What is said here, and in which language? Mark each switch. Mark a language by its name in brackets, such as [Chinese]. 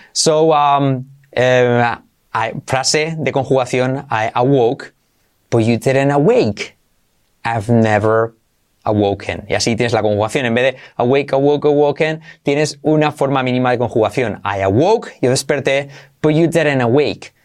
[English] So, [Spanish] frase de conjugación, [English] I awoke, but you didn't awake. I've never awoken. [Spanish] Y así tienes la conjugación. En vez de awake, awoke, awoken, tienes una forma mínima de conjugación. [English] I awoke, [Spanish] yo desperté, [English] but you didn't awake.